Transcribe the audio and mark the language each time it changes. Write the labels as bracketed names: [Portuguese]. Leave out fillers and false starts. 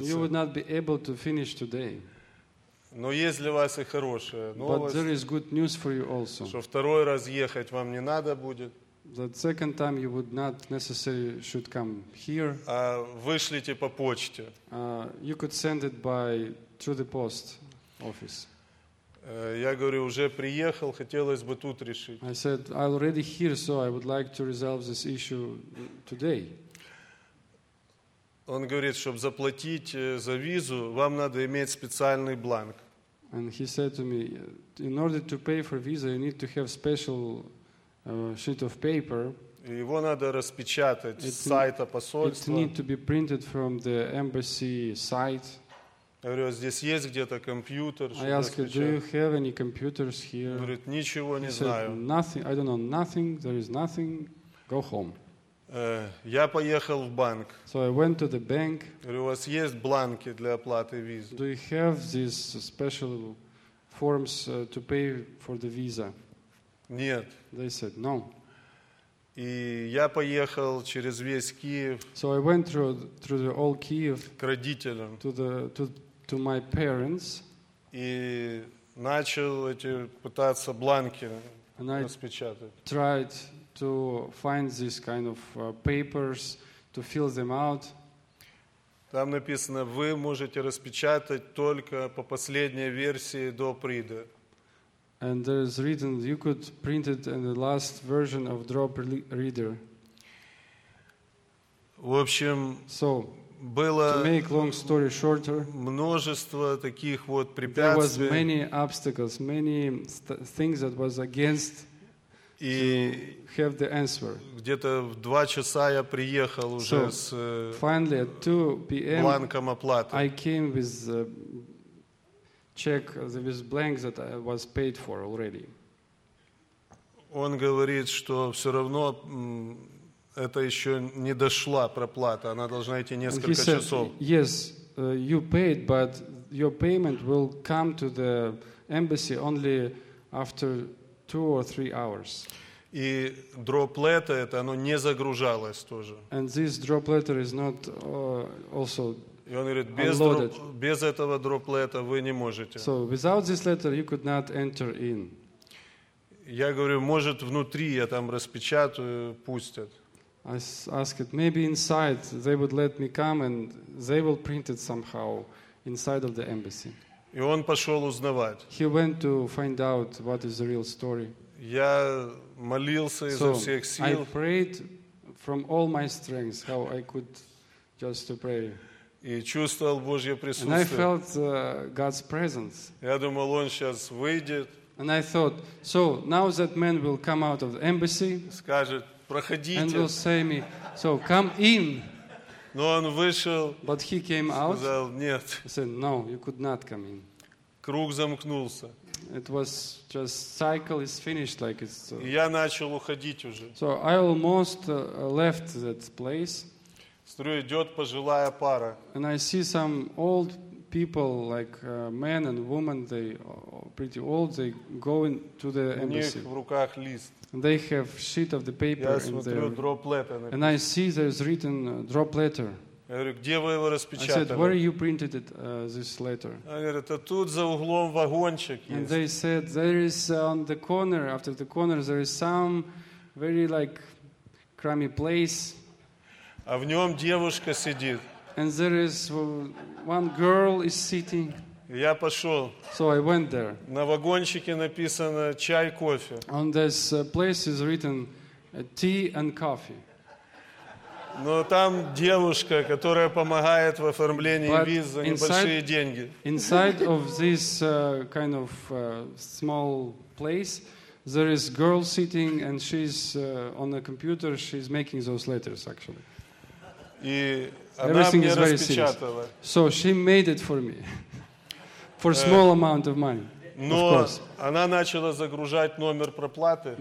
[English] You would not be able to finish today. [Russian] Но есть для вас и хорошая новость. [English] But there is good news for you also. [Russian] Что второй раз ехать вам не надо будет. [English] That second time you would not necessarily should come here. [Russian] Вышлите по почте. [English] You could send it by through the post office. [Russian] Я говорю, уже приехал, хотелось бы тут решить. [English] I said, I'm already here, so I would like to resolve this issue today. [Russian] Он говорит, чтобы заплатить за визу, вам надо иметь специальный бланк. [English] And he said to me, in order to pay for visa, you need to have special sheet of paper. [Russian] Его надо распечатать с сайта посольства. [English] It need to be printed from the embassy site. [Russian] Я говорю, здесь есть где-то компьютер? [English] I asked, do you have any computers here? [Russian] Он говорит, ничего не знаю. [English] He said, nothing. I don't know nothing. There is nothing. Go home. [Russian] Я поехал в банк. [English] So I went to the bank. [Russian] Говорю, у вас есть бланки для оплаты визы? [English] Do you have these special forms to pay for the visa? [Russian] Нет. [English] They said no. [Russian] И я поехал через весь Киев. [English] So I went through the all Kiev. [Russian] К родителям. [English] To my parents. [Russian] И начал эти пытаться бланки [English] And I tried to find these kind of papers to fill them out. [Russian] Там написано, вы можете распечатать только по последней версии до прида. [English] And there is written, you could print it in the last version of drop reader. [Russian] В общем, [English] so, [Russian] было [English] to make long story shorter, [Russian] множество таких вот препятствий. [English] There was many obstacles, many things that was against [Russian] и [English] to have the answer. [Russian] Где-то в 2 часа я приехал уже с [English] finally, at 2 p.m., [Russian] бланком оплаты. [English] I came with the check, with blank that I was paid for already. [Russian] Он говорит, что все равно это еще не дошла проплата, она должна идти несколько [English] and he said, [Russian] часов. [English] Yes, you paid, but your payment will come to the embassy only after 2 or 3 hours. [Russian] И drop letter это оно не загружалось тоже. [English] And this drop letter is not also unloaded. [Russian] И он говорит, без этого drop letter вы не можете. [English] So without this letter you could not enter in. [Russian] Я говорю, может внутри я там распечатаю, пустят. [English] I asked, maybe inside they would let me come and they will print it somehow inside of the embassy. [Russian] И он пошел узнавать. [English] He went to find out what is the real story. [Russian] Я молился изо всех сил. [English] So I prayed from all my strength, how I could just to pray. [Russian] И чувствовал Божье присутствие. [English] And I felt God's presence. [Russian] Я думал, он сейчас выйдет. [English] And I thought, so now that man will come out of the embassy. [Russian] Скажет, проходите. [English] And will say me, so come in. [Russian] Но он вышел, [English] but he came out, [Russian] сказал, нет. [English] I said, no, you could not come in. [Russian] Круг замкнулся. [English] It was just cycle is finished like it's. [Russian] Я начал уходить уже. [English] So I almost left that place. [Russian] Смотрю, идет пожилая пара. [English] And I see some old people, like men and women, they pretty old, they going to the embassy. [Russian] У них в руках лист. [English] They have sheet of the paper [Russian] я смотрю, [English] their, drop letter. And I see there's written drop letter. [Russian] Я говорю, где вы его распечатали? [English] I said, where you printed it, this letter? [Russian] Они говорят, а тут за углом вагончик есть. [English] And they said, there is on the corner, after the corner, there is some very like crummy place. [Russian] А в нем девушка сидит. [English] And there is one girl is sitting. [Russian] Я пошел. [English] So I went there. [Russian] На вагончике написано чай, кофе. [English] On this place is written tea and coffee. [Russian] Но там девушка, которая помогает в оформлении виз за небольшие деньги. [English] Inside of this kind of small place, there is girl sitting and she's on a computer. She's making those letters actually. [Russian] И [English] everything is very serious. So she made it for me. For small amount of money, [Russian] но [English] of course. [Russian] Она начала загружать номер проплаты.